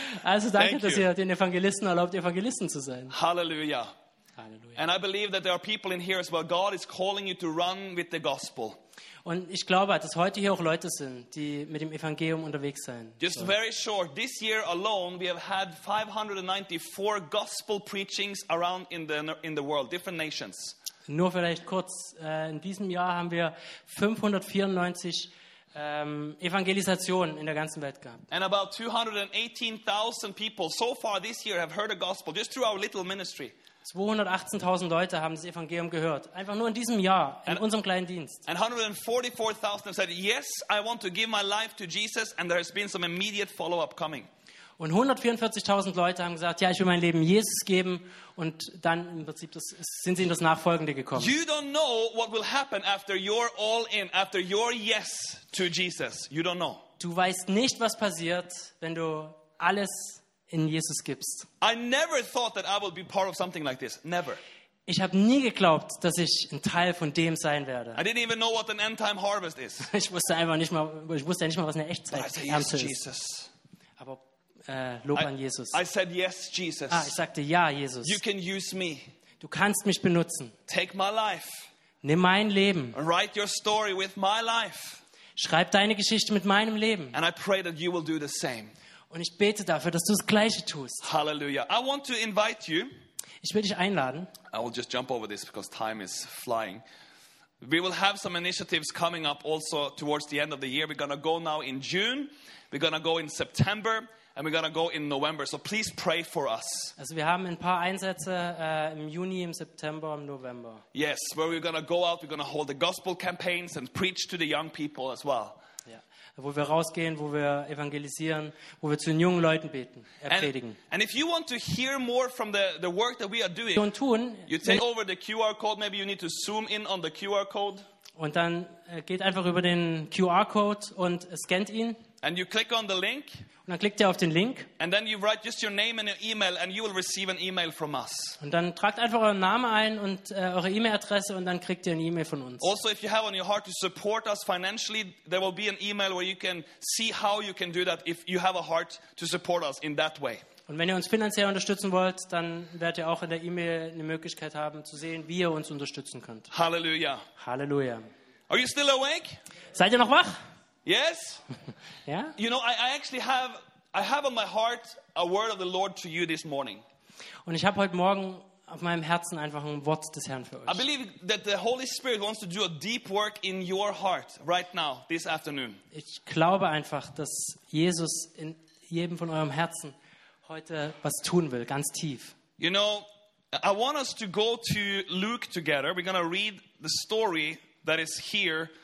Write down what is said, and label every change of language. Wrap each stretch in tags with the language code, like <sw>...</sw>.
<de>Also danke, dass ihr den Evangelisten erlaubt, Evangelisten zu sein. Hallelujah. Hallelujah.</de> <en>And I believe that there are people in here as well. God is calling you to run with the gospel.</en> <de>Und ich glaube, dass heute hier auch Leute sind, die mit dem Evangelium unterwegs sein.</de> <en>Just very short. This year alone, we have had 594 gospel preachings around in the world, different nations.</en> <de>Nur vielleicht kurz. In diesem Jahr haben wir 594 Evangelisationen in der ganzen Welt gehabt.</de> <en>And about 218,000 people so far this year have heard the gospel just through our little ministry.</en> <de>218,000 Leute haben das Evangelium gehört, einfach nur in diesem Jahr, in unserem kleinen Dienst.</de> <en>And 144,000 said, yes, I want to give my life to Jesus, and there has been some immediate follow-up coming.</en> <de>Und 144,000 Leute haben gesagt, ja, ich will mein Leben Jesus geben, und dann im Prinzip sind sie in das Nachfolgende gekommen.</de> <en>You don't know what will happen after you're all in, after your yes to Jesus. You don't know.</en> <de>Du weißt nicht, was passiert, wenn du alles in Jesus gibst.</de> <en>I never thought that I would be part of something like this. Never.</en> <de>Ich habe nie geglaubt, dass ich ein Teil von dem sein werde.</de> <en>I didn't even know what an end time harvest is.</en> <de>Ich wusste nicht mal, was eine Echtzeit ist.</de> <en>Yes, Jesus.</en> <de>Aber Lob an Jesus.</de> <en>I said yes, Jesus.</en> <de>Ah, ich sagte ja, Jesus.</de> <en>You can use me.</en> <de>Du kannst mich benutzen.</de> <en>Take my life.</en> <de>Nimm mein Leben.</de> <en>And write your story with my life.</en> <de>Schreib deine Geschichte mit meinem Leben.</de> <en>And I pray that you will do the same.</en> <de>Und ich bete dafür, dass du das Gleiche tust.</de> <en>Hallelujah. I want to invite you.</en> <de>Ich will dich einladen.</de> <en>I will just jump over this because time is flying. We will have some initiatives coming up also towards the end of the year. We're going to go now in June. We're going to go in September. And we're going to go in November. So please pray for us.</en> <de>Also wir haben ein paar Einsätze im Juni, im September, im November.</de> <en>Yes, where we're going to go out. We're going to hold the gospel campaigns and preach to the young people as well.</en> <de>Wo wir rausgehen, wo wir evangelisieren, wo wir zu den jungen Leuten beten, predigen.</de> <en>And if you want to hear more from the work that we are doing, you take over the QR code. Maybe you need to zoom in on the QR code.</en> <de>Und dann geht einfach über den QR Code und scannt ihn.</de> <en>And you click on the link.</en> <de>Und dann klickt ihr auf den Link.</de> <en>And then you write just your name and your email, and you will receive an email from us.</en> <de>Und dann tragt einfach euren Namen ein und eure E-Mail-Adresse, und dann kriegt ihr eine E-Mail von uns.</de> <en>Also, if you have on your heart to support us financially, there will be an email where you can see how you can do that if you have a heart to support us in that way.</en> <de>Und wenn ihr uns finanziell unterstützen wollt, dann werdet ihr auch in der E-Mail eine Möglichkeit haben zu sehen, wie ihr uns unterstützen könnt. Halleluja. Halleluja.</de> <en>Are you still awake?</en> <de>Seid ihr noch wach?</de> <en>Yes. Yeah. You know, I actually have on my heart a word of the Lord to you this morning.</en> <de>Und ich habe heute Morgen auf meinem Herzen einfach ein Wort des Herrn für euch.</de> <en>I believe that the Holy Spirit wants to do a deep work in your heart right now, this afternoon.</en> <de>Ich glaube einfach, dass Jesus in jedem von eurem Herzen heute was tun will, ganz tief.</de> <en>You know, I want us to go to Luke together. We're going to read the story that is here.</en>